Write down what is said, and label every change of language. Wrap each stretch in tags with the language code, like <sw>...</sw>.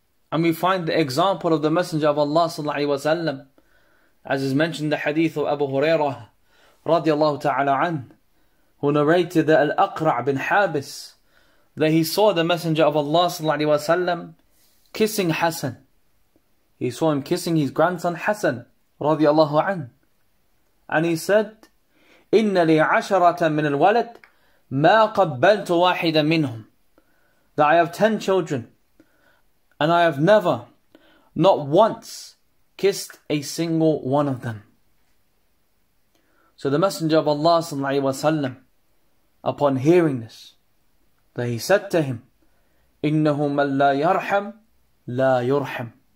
<en>And we find the example of the Messenger of Allah sallallahu alayhi wa sallam, as is mentioned in the hadith of Abu Hurairah radiallahu ta'ala an, who narrated that Al-Aqra' bin Habis, that he saw the Messenger of Allah sallallahu alayhi wa sallam kissing Hassan. He saw him kissing his grandson Hassan radiallahu an. And he said,</en> <ar>إِنَّ لِي عَشَرَةً مِنَ الْوَلَدْ مَا قَبَّلْتُ وَاحِدًا مِنْهُمْ.</ar> <en>That I have 10 children and I have never, not once, kissed a single one of them. So the Messenger of Allah sallallahu alayhi wa sallam, upon hearing this, that he said to him,</en> <ar>إِنَّهُ مَنْ لَا يَرْحَمْ لَا يُرْحَمْ.</ar>